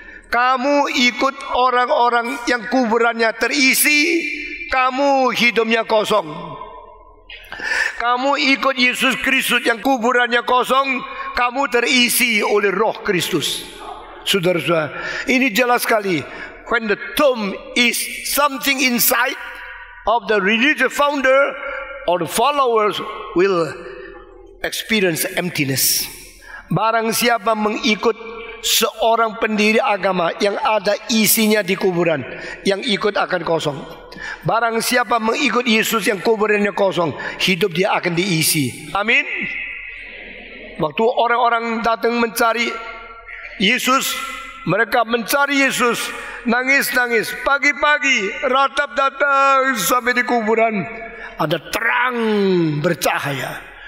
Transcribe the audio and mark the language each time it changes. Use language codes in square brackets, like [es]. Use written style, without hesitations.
[id] Kamu ikut orang-orang yang kuburannya terisi, kamu hidupnya kosong. Kamu ikut Yesus Kristus yang kuburannya kosong, kamu terisi oleh Roh Kristus. Saudara-saudara, ini jelas sekali. [en] When the tomb is something inside of the religious founder or the followers will experience emptiness. [id] Barang siapa mengikut seorang pendiri agama yang ada isinya di kuburan, yang ikut akan kosong. Barang siapa mengikut Yesus yang kuburannya kosong, hidup dia akan diisi. Amin. Waktu orang-orang datang mencari Yesus, mereka mencari Yesus, nangis-nangis, pagi-pagi ratap datang sampai di kuburan, ada terang bercahaya.